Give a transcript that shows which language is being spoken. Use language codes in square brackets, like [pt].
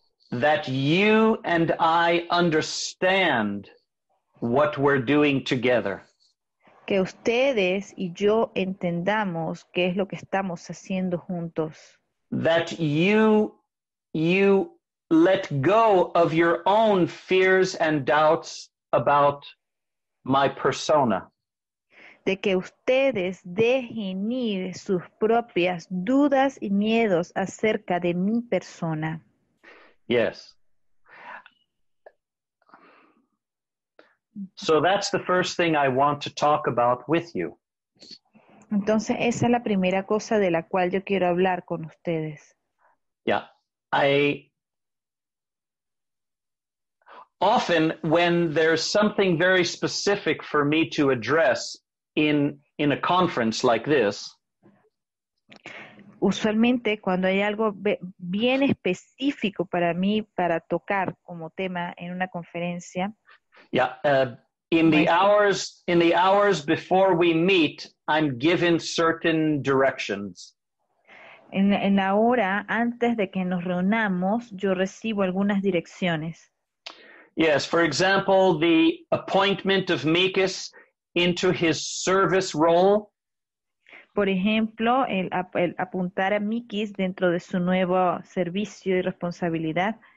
[en] That you and I understand what we're doing together. [es] Que ustedes y yo entendamos qué es lo que estamos haciendo juntos. [en] That you let go of your own fears and doubts about my persona. [es] De que ustedes dejen ir sus propias dudas y miedos acerca de mi persona. [en] Yes. So that's the first thing I want to talk about with you. [es] Entonces, esa es la primera cosa de la cual yo quiero hablar con ustedes. [en] Yeah. Often, when there's something very specific for me to address in a conference like this, [es] usualmente cuando hay algo bien específico para mí para tocar como tema en una conferencia. [en] Yeah, in the hours before we meet, I'm given certain directions. [es] En la hora antes de que nos reunamos, yo recibo algunas direcciones. [en] Yes, for example, the appointment of Mikis into his service role. [es] Por ejemplo, el apuntar a Mikis dentro de su nuevo servicio y responsabilidad.